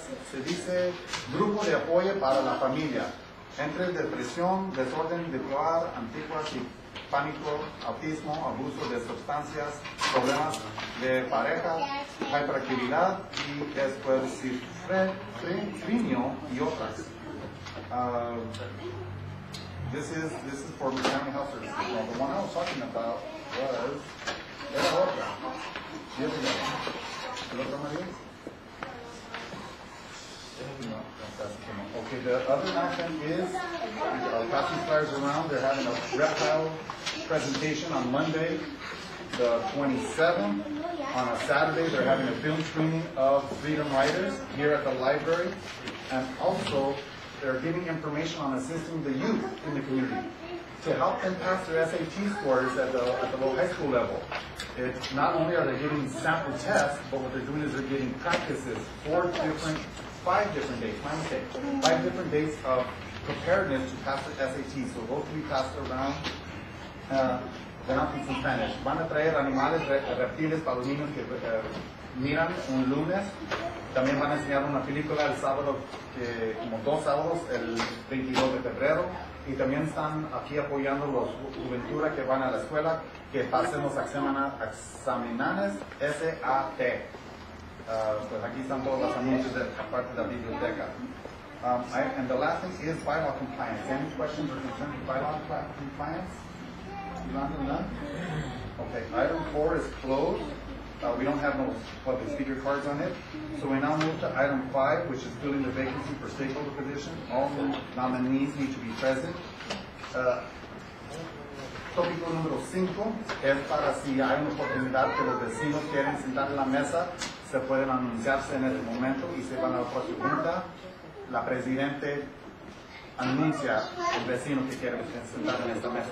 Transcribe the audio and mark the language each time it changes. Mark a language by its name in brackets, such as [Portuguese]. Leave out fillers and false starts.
[Spanish] Se dice grupo de apoyo para la familia. Entre depresión, desorden de hogar, antipatía, pánico, autismo, abuso de sustancias, problemas de pareja, hiperactividad y esquizofrenia y otras. [English] This is for the family health services. Well, the one I was talking about was [Spanish] esa otra. ¿Y esa otra? ¿El otro marido? [English] No, okay, the other action is passing flyers around. They're having a reptile presentation on Monday, the 27th. On a Saturday, they're having a film screening of Freedom Riders here at the library. And also, they're giving information on assisting the youth in the community to help them pass their SAT scores at the low high school level. It's not only are they giving sample tests, but what they're doing is they're giving practices for five different days of preparedness to pass the SAT. So those will be passed around. They're not in Spanish. [Spanish] Van a traer animales, reptiles para los niños que miran un lunes. También van a enseñar una película el sábado, como dos sábados, el 22 de febrero. Y también están aquí apoyando los juventud que van a la escuela, que pasen los examinanes SAT. Pues aquí están todos los anuncios de parte de la biblioteca. [English] And the last thing is bylaw compliance. Any questions or concerns with bylaw compliance? Okay, item four is closed. We don't have no public speaker cards on it. So we now move to item five, which is filling the vacancy for stakeholder position. All nominees need to be present. [Spanish] Tópico número cinco es para si hay una oportunidad que los vecinos quieren sentar en la mesa. Se pueden anunciarse en este momento y se van a la próxima junta. La presidente anuncia el vecino que quiere sentar en esta mesa.